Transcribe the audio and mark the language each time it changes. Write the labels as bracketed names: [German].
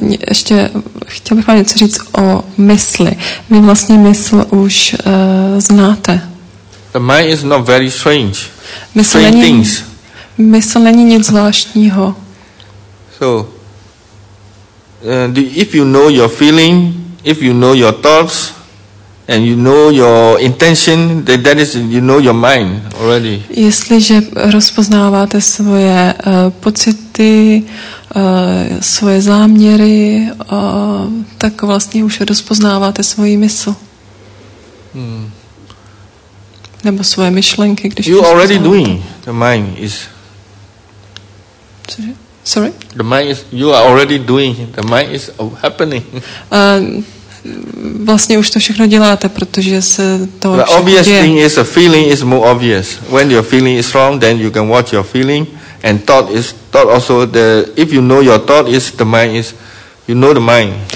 [Czech] Ještě chtěl bych vám něco říct o mysli. Vy vlastně mysl už znáte. [English] The mind is not very strange. Strange things. [Czech] Mysl není nic zvláštního. [English] So, if you know your feeling, if you know your thoughts, and you know your intention, that is, you know your mind already. [Czech] Jestliže rozpoznáváte svoje pocity, svoje záměry, tak vlastně už rozpoznáváte svoji mysl. Nebo svoje myšlenky, když [English] you already doing. The mind is. Sorry? The mind is, you are already doing. The mind is happening. [Czech] Vlastně už to všechno děláte, protože se to všechno [English] obvious [Czech] děje. [English] Thing is a feeling is more obvious. When your feeling is wrong, then you can watch your feeling and thought is thought also the if you know your thought is the mind is you know the mind.